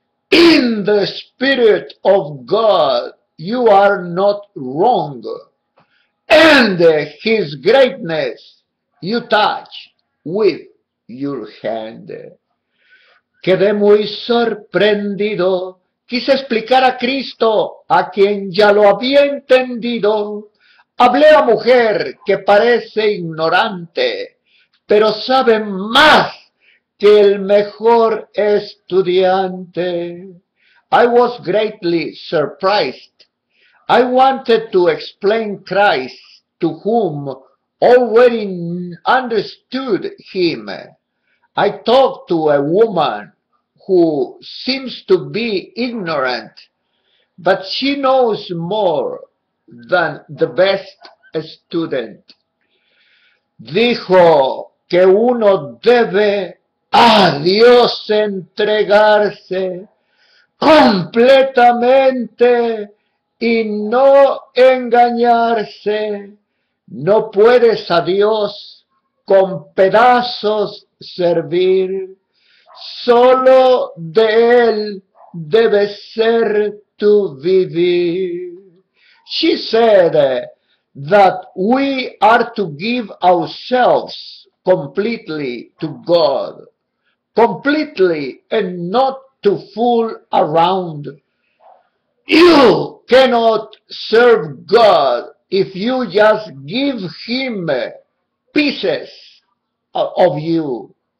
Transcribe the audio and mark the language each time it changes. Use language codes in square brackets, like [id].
[en] In the Spirit of God, you are not wrong, and His greatness you touch with your hand. [es] Quedé muy sorprendido. Quise explicar a Cristo, a quien ya lo había entendido. Hablé a mujer que parece ignorante, pero sabe más que el mejor estudiante. [en] I was greatly surprised. I wanted to explain Christ to whom already understood him. I talked to a woman who seems to be ignorant, but she knows more than the best student. [es] Dijo que uno debe a Dios entregarse completamente y no engañarse. No puedes a Dios con pedazos servir. Solo de Él debe ser [en] to [es] vivir. [en] She said that we are to give ourselves completely to God, completely, and not to fool around. You cannot serve God if you just give Him pieces of you.